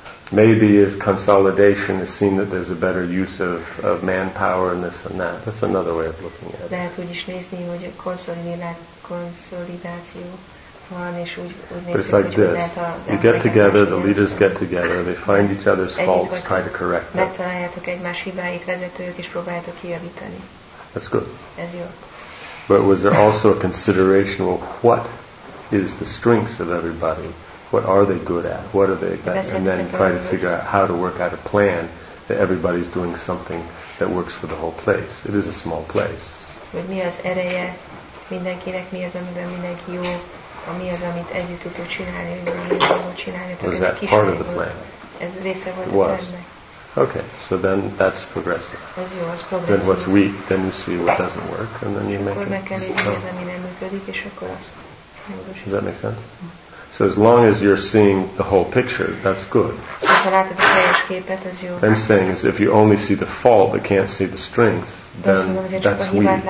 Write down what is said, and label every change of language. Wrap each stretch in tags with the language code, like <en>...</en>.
<en>Maybe as consolidation is seen that there's a better use of manpower and this and that. That's another way of looking at it.</en> <hu>Lehet úgy is nézni, hogy konszolidáció van, és úgy nézni,</hu> <en>it's like this. You get together, the leaders get together, they find each other's faults, try to correct them.</en> <hu>Megtaláljátok egymás hibáit, vezetők, és próbáljátok kijavítani.</hu> <en>That's good.</en> <hu>Ez jó.</hu> <en>But was there also a consideration of what is the strengths of everybody? What are they good at? What are they good at? And then try to figure out how to work out a plan that everybody's doing something that works for the whole place. It is a small place.</en> <hu>Hogy mi az ereje mindenkinek, mi az, amiben mindenki jó, mi az, amit együtt tudunk csinálni, mi az, amit csinálni.</hu> <en>Was that part of the plan?</en> <hu>Ez része volt a plannek.</hu> <en>Okay, so then that's progressive.</en> <hu>Ez jó, az progresszív.</hu> <en>Then what's weak, then you see what doesn't work, and then you make</en> <hu>it. Akkor meg kell nézni, mi az, ami nem működik, és akkor azt.</hu> <en>Does that make sense? So as long as you're seeing the whole picture, that's good. I'm saying is if you only see the fault but can't see the strength, then that's weak.</en>